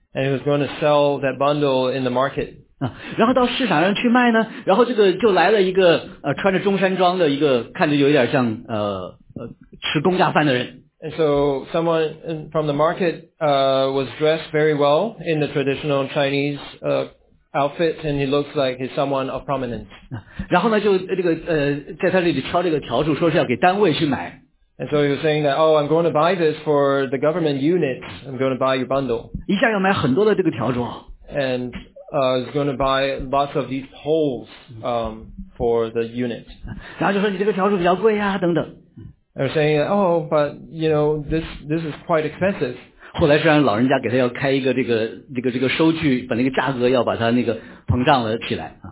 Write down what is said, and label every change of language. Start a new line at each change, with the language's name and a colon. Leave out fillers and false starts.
English: And he was going to sell that bundle in the market.
Chinese: 然后到市场上去卖呢，然后这个就来了一个穿着中山装的一个看着有点像吃公家饭的人。
English: And so someone from the market, was dressed very well in the traditional Chinese, outfit and he looks like he's someone of prominence.
Chinese: 然后呢就这个在他这里敲这个条柱说是要给单位去买。
English: And so he was saying that, oh, I'm going to buy this for the government unit. I'm going to buy your bundle.
Chinese: 一下要买很多的这个条柱。
English: And, he's going to buy lots of these poles, for the unit.
Chinese: 然后就说你这个条柱比较贵啊等等。
English: They're saying, oh, but, you know, this is quite expensive.
Chinese: 后来虽然老人家给他要开一个这个收据，把那个价格要把他那个膨胀了起来。